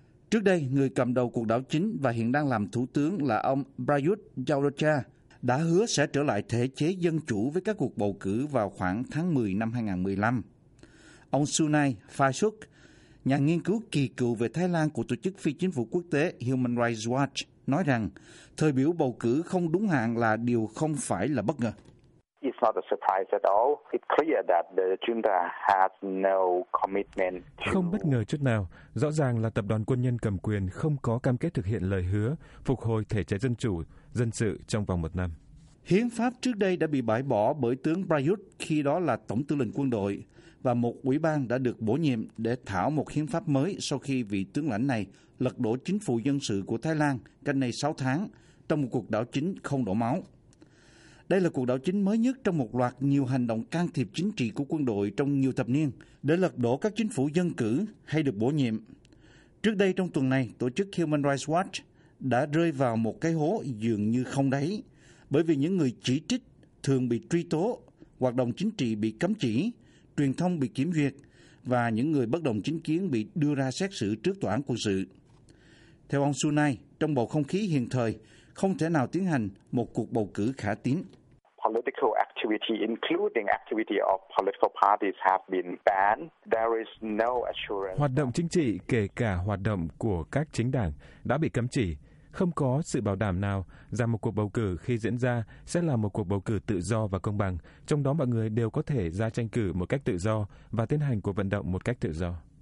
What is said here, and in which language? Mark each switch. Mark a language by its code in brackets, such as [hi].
[vi] Trước đây, người cầm đầu cuộc đảo chính và hiện đang làm thủ tướng là ông Prayut Chan-o-cha đã hứa sẽ trở lại thể chế dân chủ với các cuộc bầu cử vào khoảng tháng 10 năm 2015. Ông Sunay Phasuk, nhà nghiên cứu kỳ cựu về Thái Lan của tổ chức phi chính phủ quốc tế Human Rights Watch, nói rằng thời biểu bầu cử không đúng hạn là điều không phải là bất ngờ. [en] It's not a surprise at all. It's clear that the junta has no commitment. [vi] Không bất ngờ chút nào, rõ ràng là tập đoàn quân nhân cầm quyền không có cam kết thực hiện lời hứa phục hồi thể chế dân chủ, dân sự trong vòng một năm. Hiến pháp trước đây đã bị bãi bỏ bởi tướng Prayut khi đó là tổng tư lệnh quân đội và một ủy ban đã được bổ nhiệm để thảo một hiến pháp mới sau khi vị tướng lãnh này lật đổ chính phủ dân sự của Thái Lan cách đây 6 tháng trong một cuộc đảo chính không đổ máu. Đây là cuộc đảo chính mới nhất trong một loạt nhiều hành động can thiệp chính trị của quân đội trong nhiều thập niên để lật đổ các chính phủ dân cử hay được bổ nhiệm. Trước đây trong tuần này, tổ chức Human Rights Watch đã rơi vào một cái hố dường như không đáy bởi vì những người chỉ trích thường bị truy tố, hoạt động chính trị bị cấm chỉ, truyền thông bị kiểm duyệt và những người bất đồng chính kiến bị đưa ra xét xử trước tòa án quân sự. Theo ông Sunay, trong bầu không khí hiện thời, không thể nào tiến hành một cuộc bầu cử khả tín. [en] Political activity, including activity of political parties, have been banned. There is no assurance. [vi] Hoạt động chính trị, kể cả hoạt động của các chính đảng, đã bị cấm chỉ. Không có sự bảo đảm nào rằng một cuộc bầu cử khi diễn ra sẽ là một cuộc bầu cử tự do và công bằng, trong đó mọi người đều có thể ra tranh cử một cách tự do và tiến hành cuộc vận động một cách tự do.